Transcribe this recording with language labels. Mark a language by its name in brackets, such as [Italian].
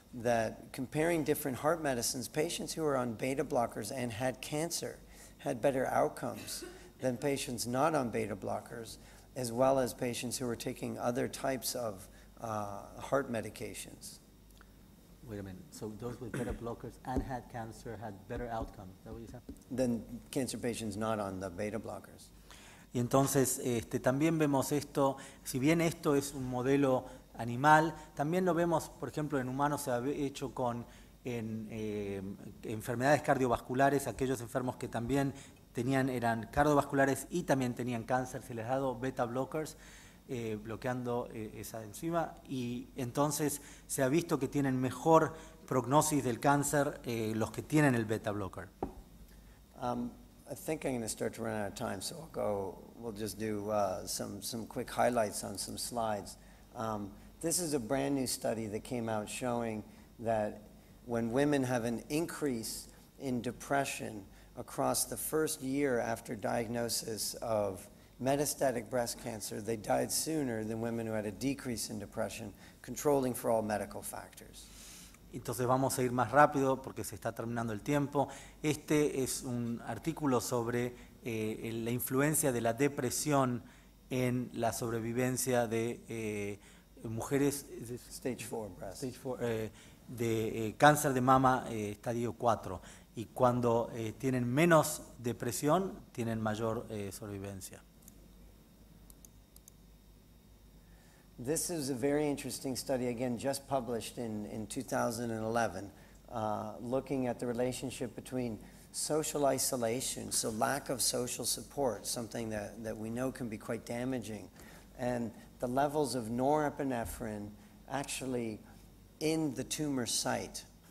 [English] that comparing different heart medicines, patients who were on beta blockers and had cancer had better outcomes than patients not on beta blockers, as well as patients who were taking other types of heart medications. Wait a minute, so those with beta blockers and had cancer had better outcomes, is that what you said? Than cancer patients not on the beta blockers. [Spanish] Y entonces también vemos esto, si bien esto es un modelo animal, también lo vemos, por ejemplo, en humanos se ha hecho con enfermedades cardiovasculares, aquellos enfermos que también eran cardiovasculares y también tenían cáncer, se les ha dado beta blockers, bloqueando esa enzima, y entonces se ha visto que tienen mejor prognosis del cáncer los que tienen el beta blocker. [English] I think I'm going to start to run out of time, so we'll just do some quick highlights on some slides. This is a brand new study that came out showing that when women have an increase in depression across the first year after diagnosis of metastatic breast cancer, they died sooner than women who had a decrease in depression, controlling for all medical factors. [Spanish] Entonces vamos a ir más rápido porque se está terminando el tiempo. Este es un artículo sobre la influencia de la depresión en la sobrevivencia de mujeres [English] stage 4 breast. Stage 4, [Spanish] cáncer de mama estadio 4. Y cuando tienen menos depresión, tienen mayor sobrevivencia. [English] This is a very interesting study, again, just published in 2011, looking at the relationship between social isolation, so lack of social support, something that we know can be quite damaging, and the levels of norepinephrine actually in the tumor site.